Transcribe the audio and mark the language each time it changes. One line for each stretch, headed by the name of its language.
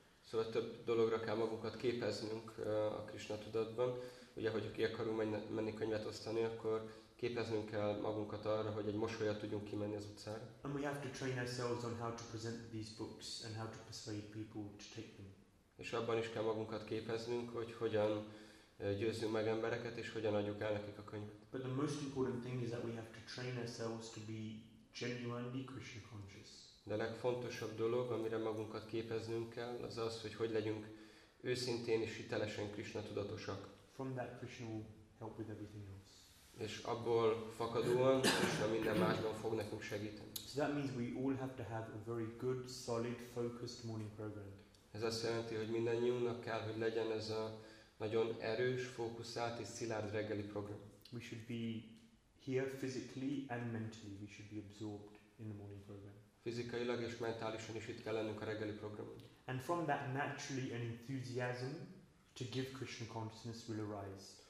Hungarian: So a több dologra kell magunkat képeznünk a Krishna tudatban. Ugye, hogy ki akarunk menni könyvet osztani, akkor képeznünk kell magunkat arra, hogy egy mosolyat tudjunk kimenni az utcára.
English: And we have to train ourselves on how to present these books and how to persuade people to take them.
Hungarian: És abban is kell magunkat képeznünk, hogy hogyan győzzünk meg embereket, és hogyan adjuk el nekik a könyvet.
English: But the most important thing is that we have to train ourselves to be genuinely Krishna conscious.
Hungarian: De a legfontosabb dolog, amire magunkat képeznünk kell, az az, hogy hogyan legyünk őszintén és hitelesen Krishna tudatosak.
English: From that Krishna will help with everything else.
Hungarian: És abból fakadóan Krishna minden másban fog nekünk segíteni.
English: So that means we all have to have a very good, solid, focused morning program.
Hungarian: Ez azt jelenti, hogy mindannyiunknak kell, hogy legyen ez a nagyon erős, fókuszált és szilárd reggeli program.
English: We should be here physically and mentally. We should be absorbed in the morning program.
Hungarian: Fizikailag és mentálisan is itt kell lennünk a reggeli programon.
English: And from that naturally an enthusiasm to give Krishna consciousness will arise.